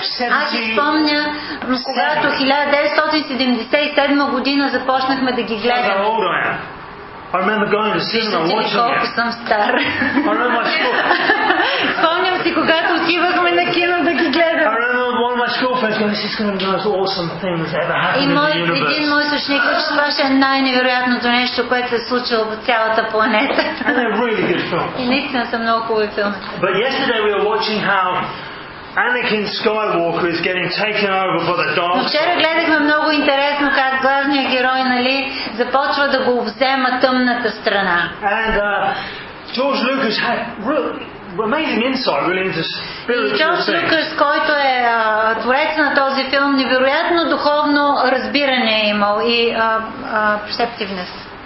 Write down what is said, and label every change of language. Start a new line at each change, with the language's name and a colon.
Bulgarian: Аз си спомня, когато 1977 година започнахме да ги гледам.
English: I remember going to cinema watching it. I remember
Bulgarian: спомням си, когато отивахме на кино да ги гледам.
English: I remember one of my school friends going, "This is going to be the most awesome thing that's ever happened in the universe."
Bulgarian: И един мой съученик каза, че това ще е най-невероятното нещо, което се е случило по цялата планета.
English: And they're really good films.
Bulgarian: И наистина са много хубави филми.
English: But yesterday we were watching how Anakin Skywalker is getting taken over by the dark.
Bulgarian: Вчера гледахме много интересно как главният герой, нали, започва да го взема тъмната страна.
English: And George Lucas had amazing insight really into spiritual.
Bulgarian: Джордж Лукас, който е творец на този филм, невероятно духовно разбиране е имал и перцептивност.